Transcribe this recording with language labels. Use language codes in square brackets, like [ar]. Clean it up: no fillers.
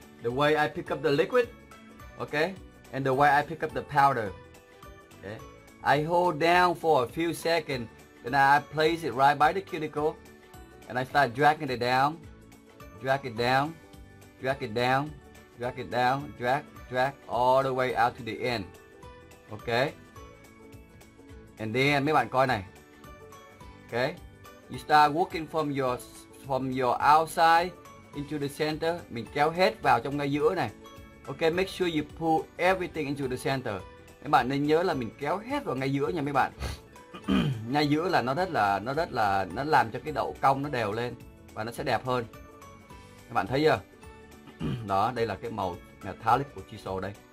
[en] The way I pick up the liquid, okay, and the way I pick up the powder. Okay, I hold down for a few seconds, then I place it right by the cuticle, and I start dragging it down, drag it down, drag it down, drag it down, drag, drag, all the way out to the end. Okay, and then [vi] mấy bạn coi này. [en] Okay, you start working from your outside into the center. [vi] Mình kéo hết vào trong ngay giữa này. [en] Okay, make sure you pull everything into the center. [vi] Mấy bạn nên nhớ là mình kéo hết vào ngay giữa nha mấy bạn. Ngay giữa là nó làm cho cái đậu cong nó đều lên và nó sẽ đẹp hơn. Các bạn thấy chưa? Đó, đây là cái màu metallic của chisel đây.